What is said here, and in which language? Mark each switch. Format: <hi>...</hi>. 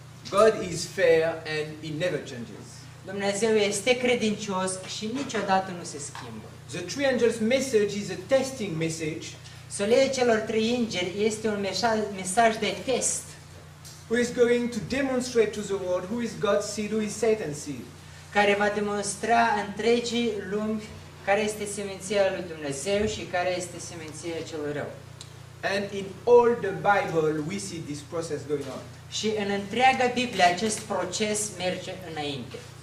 <en>God is fair and he never changes.</en> <ro>Dumnezeu este credincios și niciodată nu se schimbă.</ro> <en>The three angels' message is a testing message.</en> <ro>Soleul celor trei îngeri este un mesaj de test.</ro> <en>Who is going to demonstrate to the world who is God's seed, who is Satan's seed?</en> <ro>Care va demonstra întregii lumi care este seminția lui Dumnezeu și care este seminția celor rău.</ro> <en>And in all the Bible we see this process going on.</en> <ro>Și în întreaga Biblie acest proces merge înainte.</ro>